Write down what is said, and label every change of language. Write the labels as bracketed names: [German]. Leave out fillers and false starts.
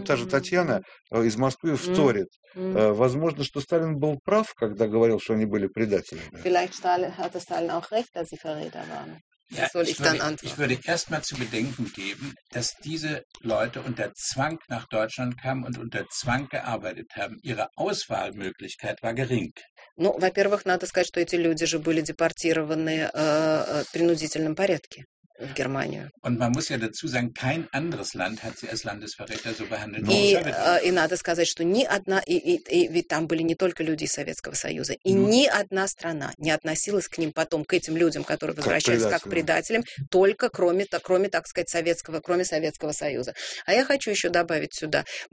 [Russian] Татьяна из Москвы вторит. Возможно, что Сталин был прав, когда говорил, что они были предателями. [German] Vielleicht hatte Stalin auch recht, dass sie Verräter waren. Ja, ich würde erstmal zu bedenken geben, dass diese Leute unter Zwang nach Deutschland kamen und unter Zwang gearbeitet haben. Ihre Auswahlmöglichkeit war gering. [Russian] Ну, во-первых, надо сказать, что эти люди же были депортированы принудительном порядке. В Германию. [German] Und man muss ja dazu sagen, kein anderes Land hat sie als Landesverräter so behandelt. [Russian] И надо сказать, что ни одна, и ведь там были не только люди из Советского Союза, и ни одна страна не относилась к ним потом, к этим людям, которые возвращались как предателям, только кроме Советского Союза. А я хочу еще добавить сюда.